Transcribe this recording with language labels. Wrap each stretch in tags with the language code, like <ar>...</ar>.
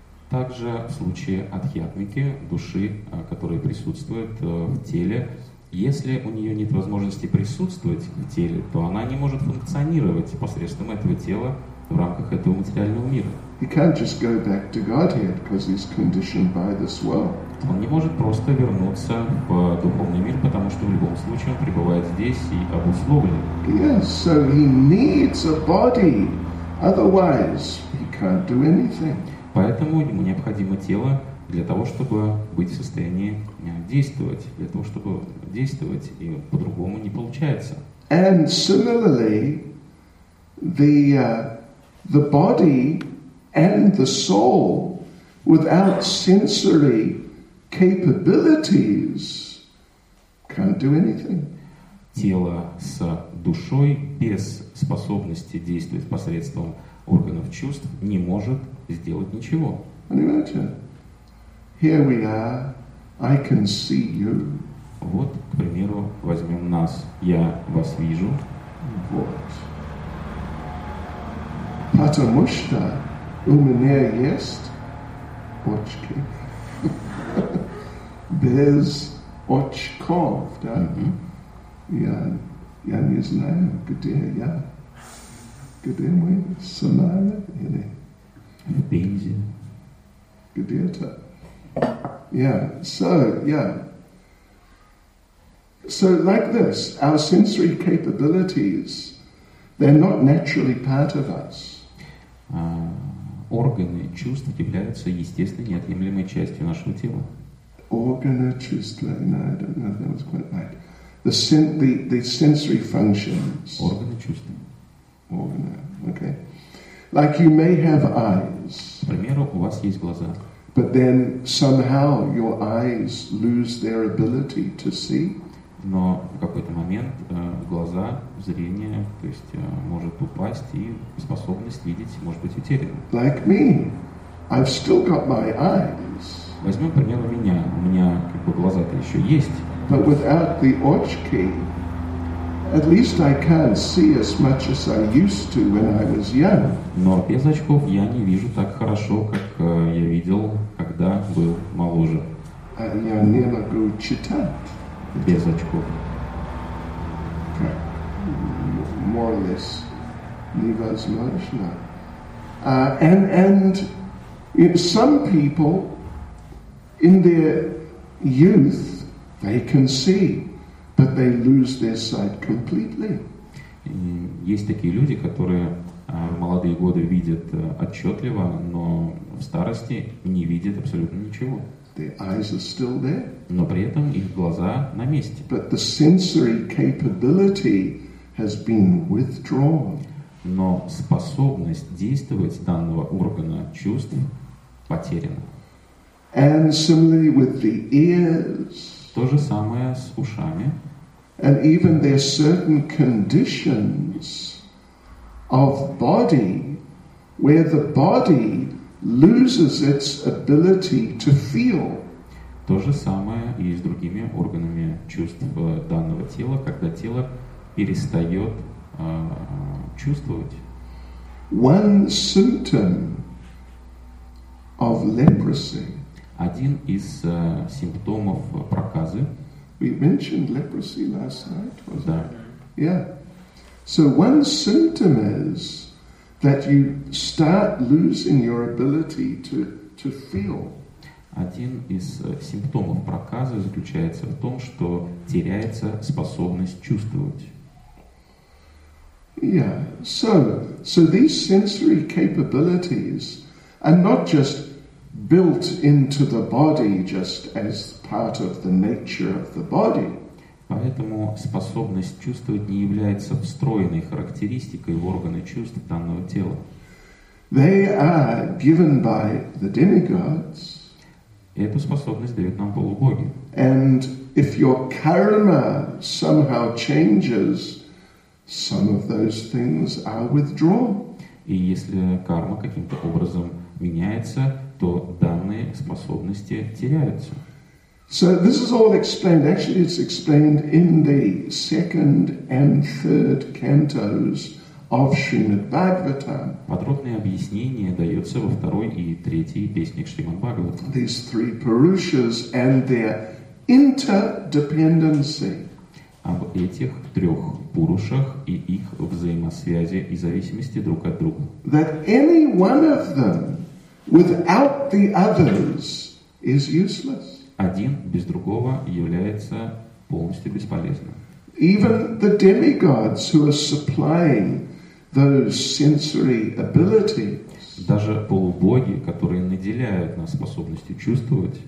<ru>Также в случае адхиатмики, души, которая присутствует в теле, если у нее нет возможности присутствовать в теле, то она не может функционировать посредством этого тела в рамках этого материального мира.</ru> <en>He can't just go back to Godhead because he's conditioned by this world.</en> <ru>Он не может просто вернуться в духовный мир, потому что в любом случае он пребывает здесь и обусловлен.</ru> <en>Yes, so he needs a body, otherwise he can't do anything.</en> <ru>Поэтому ему необходимо тело для того, чтобы быть в состоянии действовать, для того, чтобы действовать, и по-другому не получается.</ru> <en>And similarly, the body and the soul without sensory capabilities can't do anything.</en> <ru>Тело с душой без способности действовать посредством органов чувств не может сделать ничего. Понимаете?</ru> <en>Here we are, I can see you.</en> <ru>Вот, к примеру, возьмем нас. Я вас вижу. Вот. Потому что у меня есть очки. Без очков, да? Я не знаю, где я. Где мы? Самара или? В Пензе. Где-то.</ru> <en>Yeah, so, yeah. So, like this, our sensory capabilities, they're not naturally part of us.</en> <ru>Органы чувств являются естественной, неотъемлемой частью нашего тела. Органы чувств,</ru> <en>no, I don't know if that was quite right. The sensory functions.</en> <ru>Органы чувств. Органы,</ru> <en>okay. Like you may have eyes.</en> <ru>К примеру, у вас есть глаза.</ru> <en>But then somehow your eyes lose their ability to see.</en> <ru>Но в какой-то момент глаза, зрение, то есть может упасть, и способность видеть может быть утеряна.</ru> <en>Like me. I've still got my eyes.</en> <ru>Возьмем, к примеру, меня. У меня как бы глаза-то еще есть.</ru> <en>But without the</en> <ru>очки,</ru> <en>at least I can't see as much as I used to when I was young.</en> <ru>Но без очков я не вижу так хорошо, как я видел, когда был моложе. А я не могу читать. Без очков.</ru> <en>More or less</en> <ru>невозможно.</ru> <en>And if some people in their youth they can see, but they lose their sight completely.</en> <ru>Есть такие люди, которые в молодые годы видят отчетливо, но в старости не видят абсолютно ничего.</ru> <en>Their eyes are still there.</en> <ru>Но при этом их глаза на месте.</ru> <en>But the sensory capability has been withdrawn.</en> <ru>Но способность действовать данного органа чувств потеряна.</ru> <en>And similarly with the ears.</en> <ru>То же самое с ушами.</ru> <en>And even there are certain conditions of body where the body loses its ability to feel.</en> <ru>То же самое и с другими органами чувств данного тела, когда тело перестает чувствовать.</ru> <en>One symptom of leprosy.</en> <ru>Один из симптомов проказы.</ru> <en>We mentioned leprosy last night, wasn't</en> <ru>Да.</ru> <en>it? Yeah. So one symptom is that you start losing your ability to feel.</en> <ru>Один из симптомов проказы заключается в том, что теряется способность чувствовать.</ru> <en>Yeah. So these sensory capabilities are not just built into the body just as part of the nature of the body.</en> <ru>Поэтому способность чувствовать не является встроенной характеристикой в органы чувств данного тела.</ru> <en>They are given by the demigods.</en> <ru>Эту способность дают нам полубоги.</ru> <en>And if your karma somehow changes, some of those things are withdrawn.</en> <ru>И если карма каким-то образом меняется, то данные способности теряются.</ru> <en>So this is all explained. Actually, it's explained in the second and third cantos of Srimad Bhagavatam.</en> <ru>Подробное объяснение дается во второй и третьей песнях Шримад Бхагаватам.</ru> <en>These three Purushas and their interdependency.</en> <ru>Об этих трех Пурушах и их взаимосвязи и зависимости друг от друга.</ru> <en>That any one of them without the others is useless.</en> <ru>Один без другого является полностью бесполезным.</ru> <en>Even the demigods who are supplying those sensory abilities.</en> <ru>Даже полубоги, которые наделяют нас способностью чувствовать.</ru>